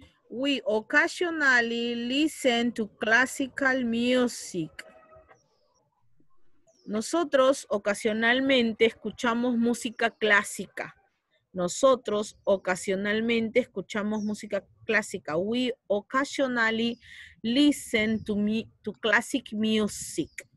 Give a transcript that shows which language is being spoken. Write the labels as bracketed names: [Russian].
[English] We occasionally listen to classical music. [Spanish] Nosotros ocasionalmente escuchamos música clásica. Nosotros ocasionalmente escuchamos música clásica. [English] We occasionally listen to classic music.